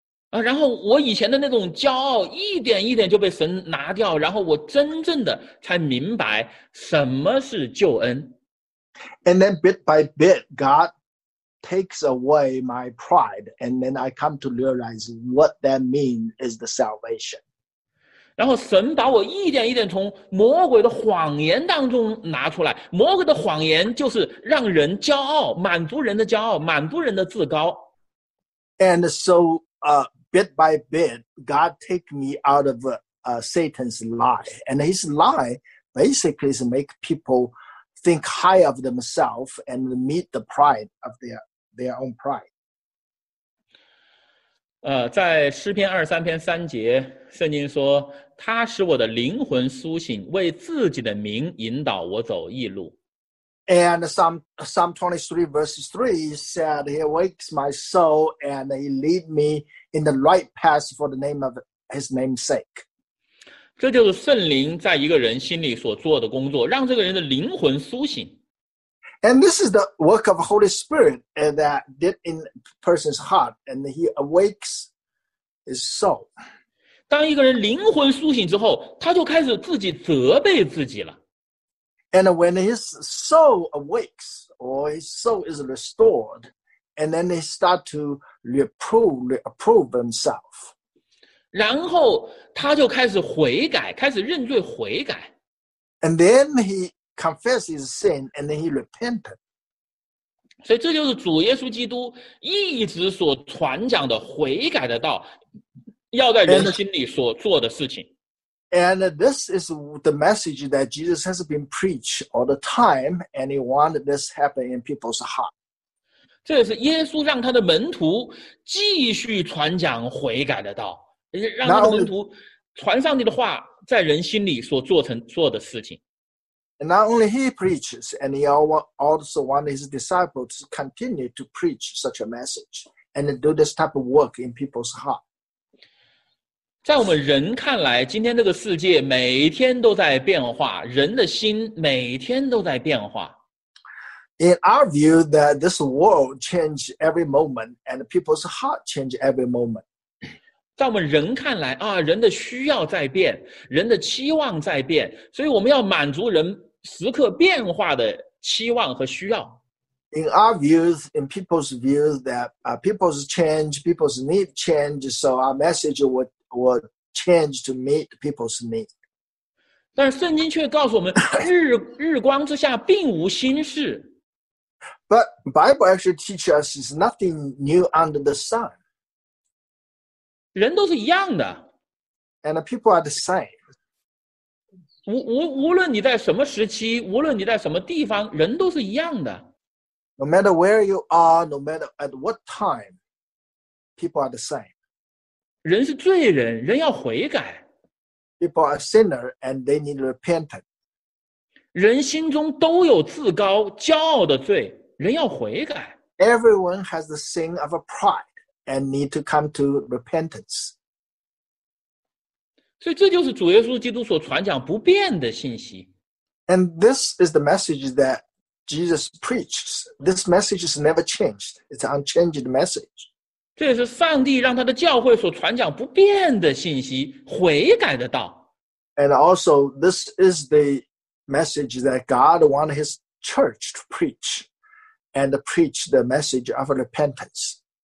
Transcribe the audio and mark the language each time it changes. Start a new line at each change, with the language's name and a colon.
Chinese: 然后我以前的那种骄傲一点一点就被神拿掉，然后我真正的才明白什么是救恩。
English: And then bit by bit, God takes away my pride, and then I come to realize what that means is the salvation.
Chinese: 然后神把我一点一点从魔鬼的谎言当中拿出来，魔鬼的谎言就是让人骄傲，满足人的骄傲，满足人的自高。
English: And so, bit by bit, God take me out of Satan's lie. And his lie basically is make people think high of themselves and meet the pride of their own pride.
Chinese: 在诗篇二十三篇三节，圣经说，他使我的灵魂苏醒，为自己的名引导我走义路。
English: And Psalm 23 verse 3 said, he awakes my soul and he lead me in the right path for the name of his name's sake.
Chinese: 这就是圣灵在一个人心里所做的工作，让这个人的灵魂苏醒。
English: And this is the work of Holy Spirit that did in a person's heart, and he awakes his soul.
Chinese: 当一个人灵魂苏醒之后，他就开始自己责备自己了。
English: And when his soul awakes, or his soul is restored, and then he start to reprove himself.
Chinese: 然后他就开始悔改，开始认罪悔改。
English: And then he confesses his sin, and then he repented.
Chinese: 所以这就是主耶稣基督一直所传讲的悔改的道，要在人心里所做的事情。
English: And this is the message that Jesus has been preached all the time, and he wanted this to happen in people's heart.
Chinese: 这是耶稣让他的门徒继续传讲悔改的道，让他的门徒传上帝的话，在人心里所做成做的事情。
English: And not only he preaches, and he also wanted his disciples to continue to preach such a message and do this type of work in people's heart.
Chinese: 在我们人看来，今天这个世界每天都在变化，人的心每天都在变化。
English: In our view, that this world changes every moment, and people's heart changes every moment.
Chinese: 在我们人看来啊，人的需要在变，人的期望在变，所以我们要满足人时刻变化的期望和需要。
English: In our views, in people's views, that people's change, people's need change, so our message would. Will change to meet people's need.
Chinese: 但圣经却告诉我们，日光之下并无新事。
English: But Bible actually teaches us there's nothing new under the sun.
Chinese: 人都是一样的。
English: And people are the same.
Chinese: 无论你在什么时期，无论你在什么地方，人都是一样的。
English: No matter where you are, no matter at what time, people are the same.
Chinese: 人是罪人，人要悔改。
English: People are sinner and they need repentance.
Chinese: 人心中都有自高、骄傲的罪，人要悔改。
English: Everyone has the sin of a pride and need to come to repentance.
Chinese: 所以这就是主耶稣基督所传讲不变的信息。
English: And this is the message that Jesus preaches. This message is never changed. It's an unchanged message.
Chinese: 这也是上帝让他的教会所传讲不变的信息，悔改的道。
English: And also, this is the message that God wanted his church to preach and preach the message of repentance.